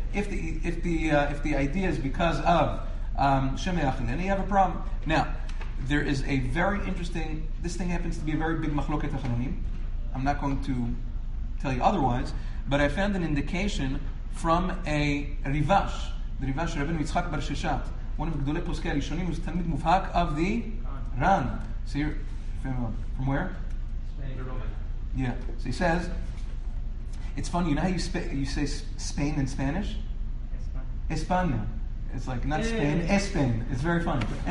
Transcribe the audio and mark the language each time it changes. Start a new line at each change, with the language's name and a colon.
English: If the idea is because of Shemei Achilin, you have a problem. Now, there is a very interesting, this thing happens to be a very big Machloket Achronim. I'm not going to tell you otherwise, but I found an indication from a Rivash,
Hebrew: דריבה של רבנו יצחק בר ששת,
English: one of the
Hebrew: גדולי פוסקי הראשונים, הוא תלמיד מובהק of the Ran.
English: So you're familiar. From where? Spain. Yeah. So he says, it's funny, you know how you say Spain in Spanish? España. It's like, not Spain, Espen. It's very funny.